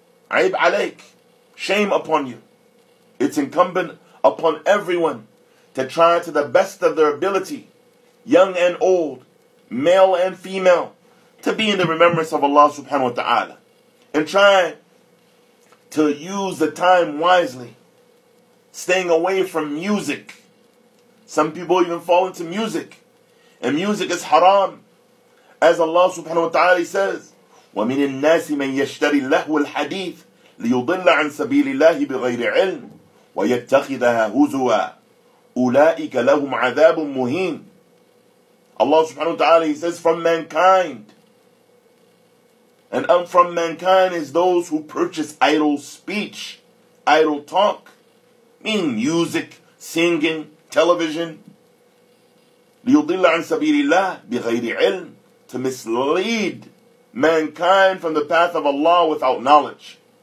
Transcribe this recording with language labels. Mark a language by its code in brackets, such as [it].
[en] Aib alaik, shame upon you. It's incumbent upon everyone to try to the best of their ability, young and old, male and female, to be in the remembrance of Allah subhanahu wa ta'ala. And try to use the time wisely, staying away from music. Some people even fall into music, and music is haram. [ar] As Allah subhanahu wa ta'ala says, وَمِنِ النَّاسِ مَنْ يَشْتَرِي لَهُ الْحَدِيثِ لِيُضِلَّ عَنْ سَبِيلِ اللَّهِ بِغَيْرِ عِلْمٍ وَيَتَّخِذَهَا هُزُوَا أُولَٰئِكَ لَهُمْ عَذَابٌ مُهِينٌ. [en] Allah subhanahu wa ta'ala, He says, from mankind, and from mankind is those who purchase idle speech, idle talk, meaning music, singing, television, [ar] لِيُضِلَّ عَنْ سَبِيلِ اللَّهِ بِغَيْرِ عِلْمٍ, [en] to mislead mankind from the path of Allah without knowledge.